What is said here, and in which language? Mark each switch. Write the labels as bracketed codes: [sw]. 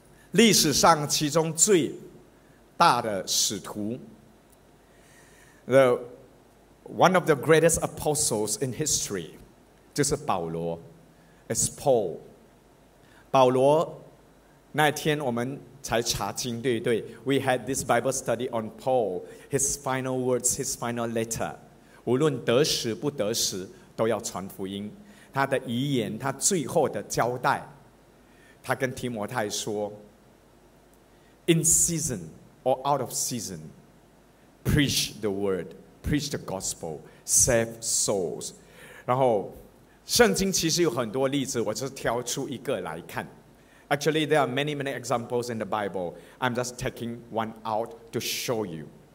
[zh] 历史上其中最大的使徒 [en] One of the greatest apostles in history [zh] 就是保罗 [en] It's Paul [zh] 保罗那天我们才查经对不对 [en] We had this Bible study on Paul His final words, his final letter [zh] 无论得时不得时都要传福音他的遗言他最后的交代他跟提摩太说 [en] In season or out of season preach the word, preach the gospel, save souls. [zh] 然后圣经其实有很多例子，我只是挑出一个来看。 [en] Actually there are many examples in the Bible. I'm just taking one out to show you.